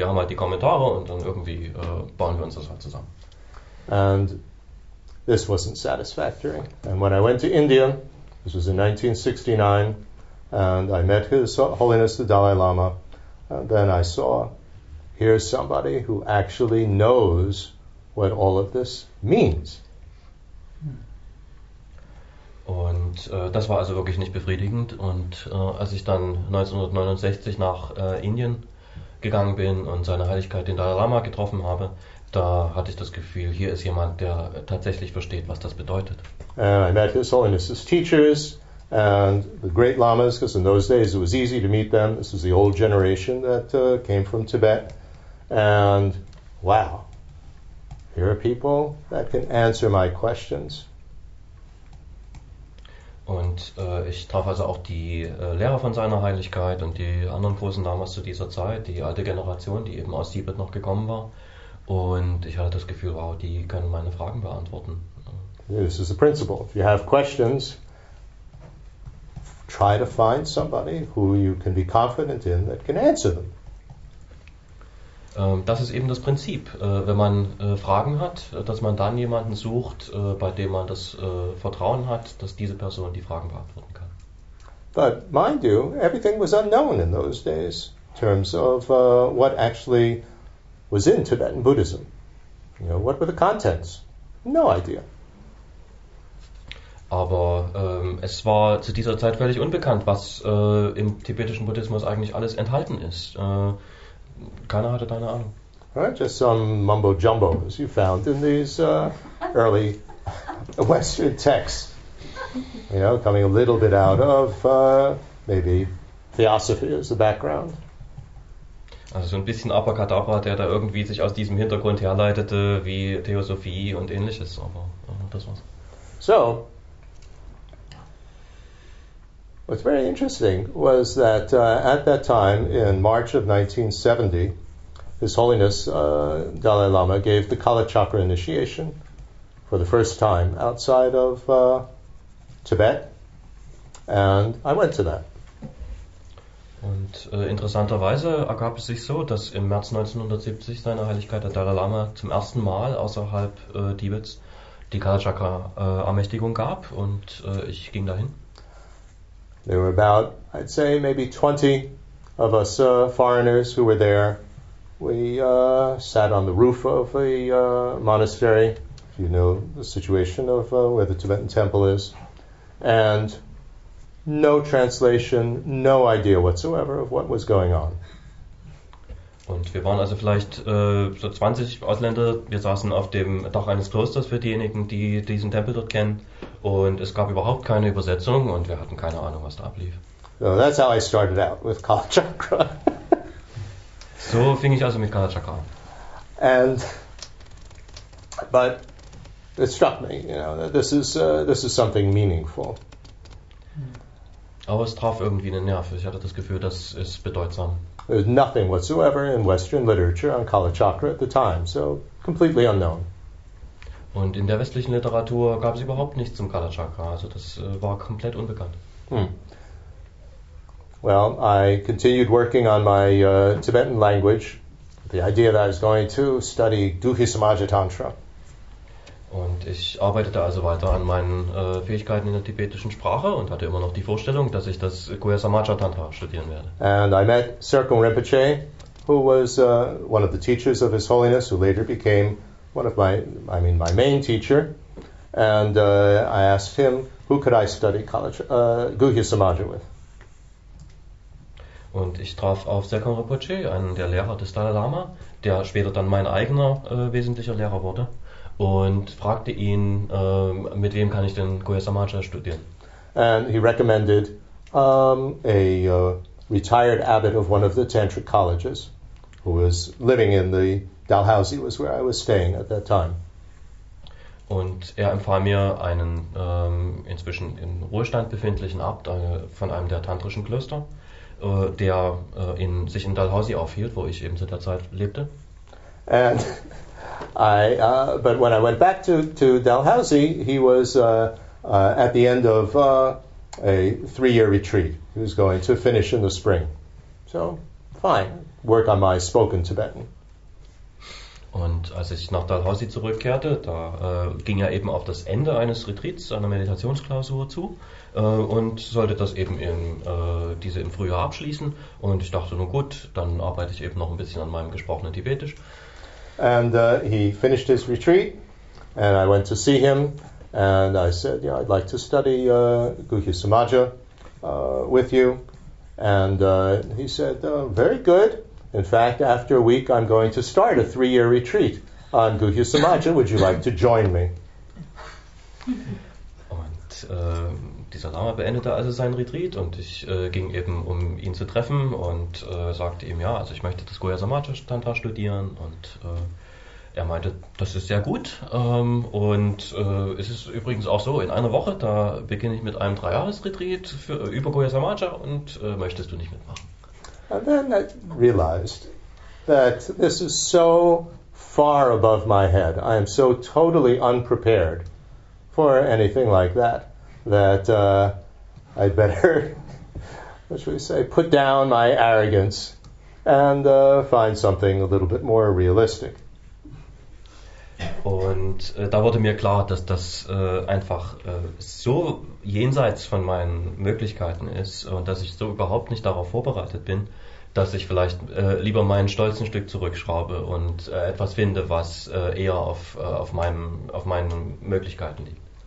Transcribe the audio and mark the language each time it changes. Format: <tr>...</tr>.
<de>Wir haben halt die Kommentare und dann irgendwie bauen wir uns das halt zusammen.</de> <en>And this wasn't satisfactory. And when I went to India, this was in 1969, and I met His Holiness the Dalai Lama, and then I saw, here's somebody who actually knows what all of this means.</en> <de>Und das war also wirklich nicht befriedigend. Und als ich dann 1969 nach Indien gegangen bin und seine Heiligkeit den Dalai Lama getroffen habe, da hatte ich das Gefühl, hier ist jemand, der tatsächlich versteht, was das bedeutet.</de> <en>I met His Holiness's teachers and the great lamas, because in those days it was easy to meet them. This is the old generation that came from Tibet. And wow, here are people that can answer my questions.</en> <de>Und ich traf also auch die Lehrer von seiner Heiligkeit und die anderen großen Lamas zu dieser Zeit, die alte Generation, die eben aus Tibet noch gekommen war. Und ich hatte das Gefühl, wow, die können meine Fragen beantworten.</de> <en>This is the principle. If you have questions, try to find somebody who you can be confident in that can answer them.</en> <de>Das ist eben das Prinzip. Wenn man Fragen hat, dass man dann jemanden sucht, bei dem man das Vertrauen hat, dass diese Person die Fragen beantworten kann.</de> <en>But mind you, everything was unknown in those days in terms of what actually was in Tibetan Buddhism. You know, what were the contents? No idea.</en> <de>Aber es war zu dieser Zeit völlig unbekannt, was im tibetischen Buddhismus eigentlich alles enthalten ist. Keiner hatte deine Ahnung.</de> <en>Right, just some mumbo jumbo, as you found in these early Western texts. You know, coming a little bit out of maybe theosophy as the background.</en> <de>Also so ein bisschen Abracadabra, der da irgendwie sich aus diesem Hintergrund herleitete, wie Theosophie und ähnliches. Aber das war's.</de> <en>So, what's very interesting was that at that time, in March of 1970, His Holiness Dalai Lama gave the Kalachakra initiation for the first time outside of Tibet, and I went to that.</en> <de>Und interessanterweise ergab es sich so, dass im März 1970 seine Heiligkeit der Dalai Lama zum ersten Mal außerhalb Tibets die Kalachakra-Ermächtigung gab und ich ging dahin.</de> <en>There were about, I'd say, maybe 20 of us foreigners who were there. We sat on the roof of a monastery, if you know the situation of where the Tibetan temple is, and no translation, no idea whatsoever of what was going on.</en> <de>Und wir waren also vielleicht so 20 Ausländer. Wir saßen auf dem Dach eines Klosters für diejenigen, die diesen Tempel dort kennen. Und es gab überhaupt keine Übersetzung und wir hatten keine Ahnung, was da ablief.</de> <en>So that's how I started out with Kalachakra.</en> <de>So fing ich also mit Kalachakra an.</de> <en>And, but it struck me, you know, that this is something meaningful.</en> <de>Aber es traf irgendwie einen Nerv. Ich hatte das Gefühl, das ist bedeutsam.</de> <en>There's nothing whatsoever in Western literature on Kalachakra at the time, so completely unknown.</en> <de>Und in der westlichen Literatur gab es überhaupt nichts zum Kalachakra, also das war komplett unbekannt.</de> <en>Well, I continued working on my Tibetan language, the idea that I was going to study Duhi Samaja Tantra.</en> <de>Und ich arbeitete also weiter an meinen Fähigkeiten in der tibetischen Sprache und hatte immer noch die Vorstellung, dass ich das Guhya Samaja Tantra studieren werde.</de> <en>And I met Tsergung Rinpoche, who was one of the teachers of His Holiness, who later became one of my main teacher. And I asked him, who could I study Guhya Samaja with?</en> <de>Und ich traf auf Sekhon Rinpoche, einen der Lehrer des Dalai Lama, der später dann mein eigener wesentlicher Lehrer wurde, und fragte ihn, mit wem kann ich denn Guhya Samaja studieren?</de> <en>And he recommended retired abbot of one of the tantric colleges who was living in the Dalhousie was where I was staying at that time.</en> <de>Und empfahl mir einen inzwischen in Ruhestand befindlichen Abt von einem der tantrischen Klöster, der sich in Dalhousie aufhielt, wo ich eben zu der Zeit lebte.</de> <en>And I but when I went back to Dalhousie, he was at the end of a 3-year retreat. He was going to finish in the spring. So, fine. Work on my spoken Tibetan.</en> <de>Und als ich nach Dalhousie zurückkehrte, da ging er eben auf das Ende eines Retreats, einer Meditationsklausur zu und sollte das eben diese im Frühjahr abschließen. Und ich dachte, nun gut, dann arbeite ich eben noch ein bisschen an meinem gesprochenen Tibetisch.</de> <en>And he finished his retreat and I went to see him. And I said, yeah, I'd like to study Guhya Samaja with you. And he said, very good. In fact, after a week, I'm going to start a 3-year retreat on Guhya Samaja. Would you like to join me?</en> <de>Und dieser Lama beendete also seinen Retreat und ich ging eben, um ihn zu treffen und sagte ihm, ja, also ich möchte das Guhya Samaja Tantra studieren und... Er meinte, das ist sehr gut und es ist übrigens auch so, in einer Woche, da beginne ich mit einem 3-Jahres-Retreat über Guhya Samaja und möchtest du nicht mitmachen.</de> <en>And then I realized that this is so far above my head. I am so totally unprepared for anything like that, that I'd better, what should we say, put down my arrogance and find something a little bit more realistic.</en> <de>Und da wurde mir klar, dass das einfach so jenseits von meinen Möglichkeiten ist und dass ich so überhaupt nicht darauf vorbereitet bin, dass ich vielleicht lieber meinen Stolz ein Stück zurückschraube und etwas finde, was eher auf meinen Möglichkeiten liegt.</de>